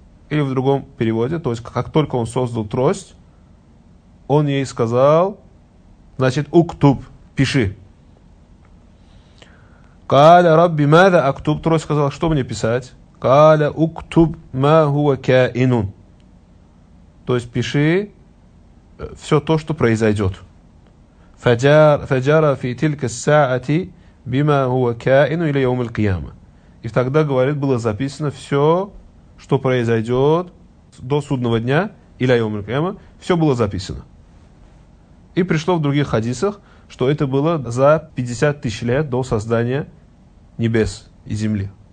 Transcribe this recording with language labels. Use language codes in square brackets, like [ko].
[ru] Или в другом переводе, то есть как только он создал трость, он ей сказал, значит, уктуб, пиши. [ar] «Каля Рабби, мада актуб?» [ru] Трость сказал, что мне писать? [ar] «Каля уктуб ма хуа ка инун?» [ru] То есть пиши все то, что произойдет. [ar] فجار في تلك الساعة بما هو كائن إلى يوم القيامة. [ru] И тогда говорит, было записано все, что произойдет до судного дня, [ar] إلى يوم القيامة, [ru] все было записано. И пришло в других хадисах, что это было за 50 тысяч лет до создания небес и земли.